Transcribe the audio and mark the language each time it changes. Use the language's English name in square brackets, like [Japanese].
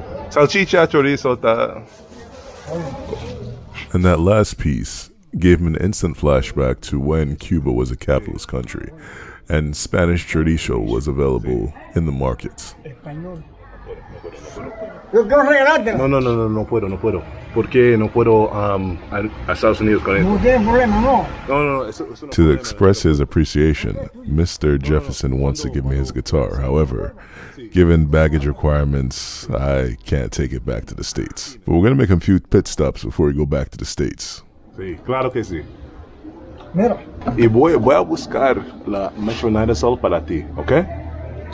[Spanish] Salchicha, chorizo, está. [English] And that last piece gave him an instant flashback to when Cuba was a capitalist country and Spanish chorizo was available in the markets. [Spanish] No puedo. Porque no puedo a Estados Unidos con esto. No tiene problema, no. No. [English] To express his appreciation, Mr. Jefferson wants to give me his guitar. However, given baggage requirements, I can't take it back to the States. But we're going to make a few pit stops before we go back to the States. [Spanish] Sí, claro que sí. Mira. Y voy a buscar la mencionada sal para ti, ¿ok?